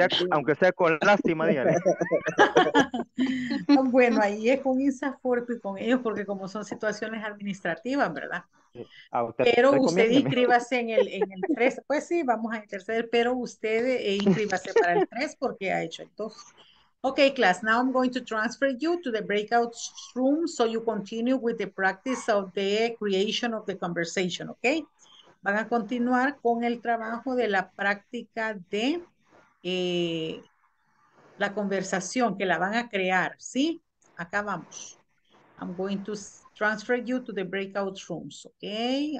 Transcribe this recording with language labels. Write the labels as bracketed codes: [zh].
[es] Aunque sea con lástima, dígale. Bueno, ahí es con INSAFORP y con ellos, porque como son situaciones administrativas, ¿verdad? Pero usted inscríbase en el 3. Pues sí, vamos a interceder, pero usted inscríbase para el 3 porque ha hecho el 2. [en] Okay, class, now I'm going to transfer you to the breakout room so you continue with the practice of the creation of the conversation, okay? [es] Van a continuar con el trabajo de la práctica de la conversación, que la van a crear, ¿sí? Acá vamos. [en] I'm going to transfer you to the breakout rooms, okay?